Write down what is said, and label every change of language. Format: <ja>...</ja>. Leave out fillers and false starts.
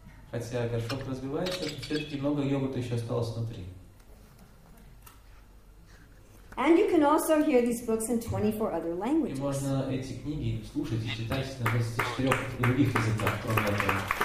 <ru>Хотя горшок разбивается, все-таки много йогурта еще осталось внутри.</ru> <en>And you can also hear these books in 24 other languages.</en> <ru>И можно эти книги слушать и читать на 24 других языках, кроме одного.</ru>